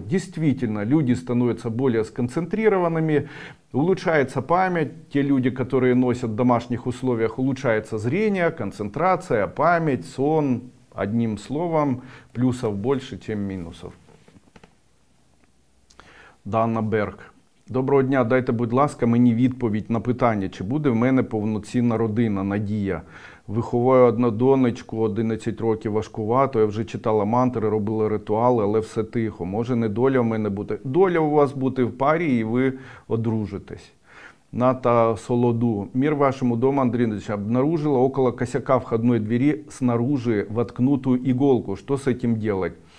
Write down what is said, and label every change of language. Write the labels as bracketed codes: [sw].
[ru] Действительно, люди становятся более сконцентрированными, улучшается память. Те люди, которые носят в домашних условиях, улучшается зрение, концентрация, память, сон. Одним словом, плюсов больше, чем минусов. Дана Берг. [uk] Доброго дня, дайте, будь ласка, мені відповідь на питання, чи буде в мене повноцінна родина, Надія. Виховую одну донечку, 11 років, важкувато, я вже читала мантри, робила ритуали, але все тихо. Може не доля в мене бути? Доля у вас бути в парі і ви одружитесь. [ru] Ната Солоду. Мир вашему дому, Андрей Андреевич. Обнаружила около косяка входной двери снаружи воткнутую иголку. Что с этим делать?